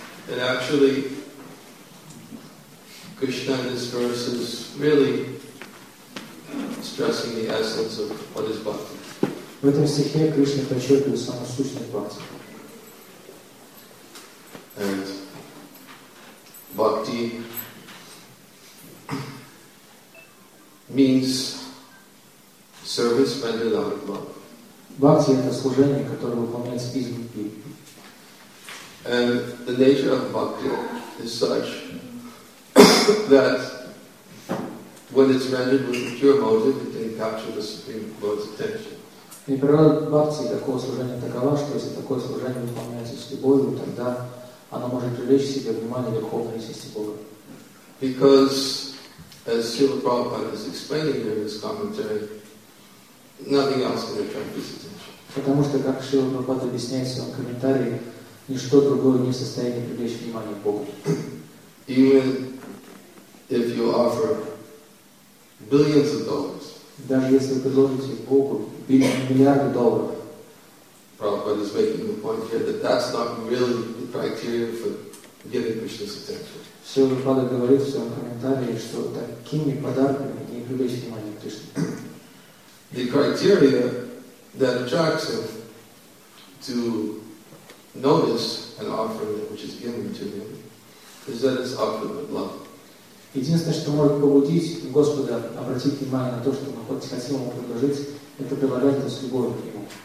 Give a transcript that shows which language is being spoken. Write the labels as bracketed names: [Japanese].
[English] And actually, Krishna in this verse is really stressing the essence of what is bhakti. [Russian] В этом стихе Кришна подчеркивает саму сущность бхакти. [English] And bhakti means service rendered out of love. [Russian] Бхакти — это служение, которое выполняется из любви. [English] And the nature of bhakti is such that when it's rendered with a pure motive, it can capture the Supreme Lord's attention. [Russian] И природа бхакти такого служения такова, что если такое служение выполняется с любовью, тогда оно может привлечь к себе внимание духовной личности Бога. [English] Because, as Srila Prabhupada is explaining in his commentary, nothing else can attract his attention. [Russian] Потому что, как Шрила Прабхупада объясняет в своем комментарии, ничто другое не в состоянии привлечь внимание Богу. [English] Even if you offer billions of dollars, [Russian] даже если вы предложите Богу миллиарды долларов, [English] Прабхупада is making the point here that that's not really the criteria for giving Krishna's attention. [Russian] Шрила Прабхупада говорит в своем комментарии, что такими подарками не привлечь внимание Кришны. [English] The criteria that attracts him to notice an offering which is given to him is that it's offered with love. [Russian] Единственное, что может побудить Господа обратить внимание на то, что мы хотим ему предложить, это прилагать это с любовью к нему.